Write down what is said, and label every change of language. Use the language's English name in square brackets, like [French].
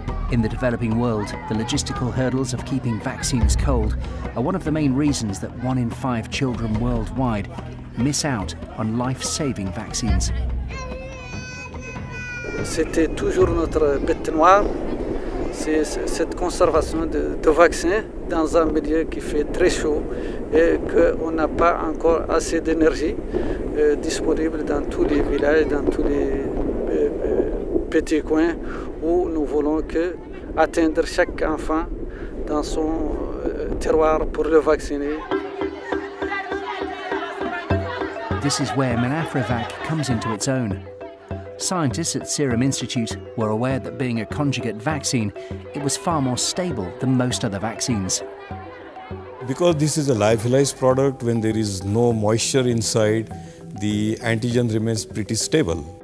[English] In the developing world, the logistical hurdles of keeping vaccines cold are one of the main reasons that 1 in 5 children worldwide miss out on life-saving vaccines. [French] C'était toujours notre bête noire, c'est cette conservation de vaccins dans un milieu qui fait très chaud et qu'on n'a pas encore assez d'énergie disponible dans tous les villages, dans tous les petits coins où nous voulons que atteindre chaque enfant dans son terroir pour le vacciner. [English] This is where Menafrivac comes into its own. Scientists at Serum Institute were aware that being a conjugate vaccine, it was far more stable than most other vaccines. Because this is a lyophilized product, when there is no moisture inside, the antigen remains pretty stable.